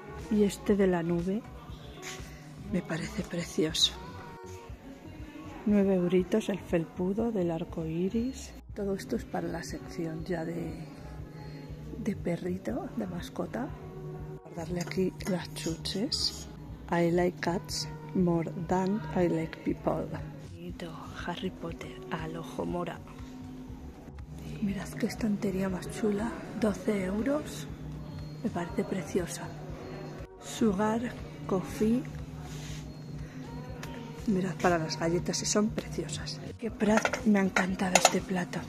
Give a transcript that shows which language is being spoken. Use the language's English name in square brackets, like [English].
[Spanish] Y este de la nube me parece precioso. 9 euritos el felpudo del arco iris. Todo esto es para la sección ya de perrito, de mascota. Guardarle aquí las chuches. [English] I like cats more than I like people. [Spanish] Bonito, Harry Potter al ojo mora. Mirad qué estantería más chula. 12 euros. Me parece preciosa. Sugar Coffee. Mirad para las galletas, y son preciosas. Qué Prat, me ha encantado este plato.